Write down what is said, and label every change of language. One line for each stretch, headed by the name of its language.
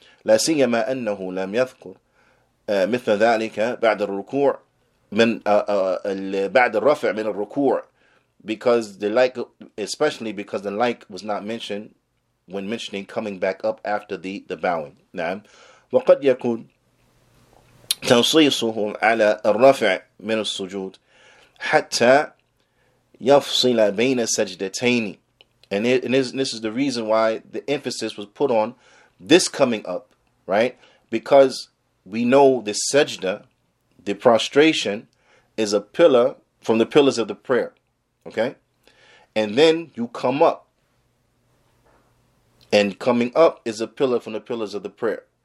Arabic: لَسِيَّمَا أَنَّهُ لَمْ يَذْكُرْ مِثْلَ ذَلِكَ بَعْدَ الرُّكُوعِ مِنْ بَعْدَ الرَّفْعِ مِنَ الرُّكُوعِ.
English: Because the like, especially because the like was not mentioned when mentioning coming back up after the bowing.
Arabic: نعم. وقد يكون تنصيصه على الرفع من السجود حتى يفصل بين السجدتين.
English: And this is the reason why the emphasis was put on this coming up, right? Because we know the sajda, the prostration, is a pillar from the pillars of the prayer. Okay, and then you come up, and coming up is a pillar from the pillars of the prayer.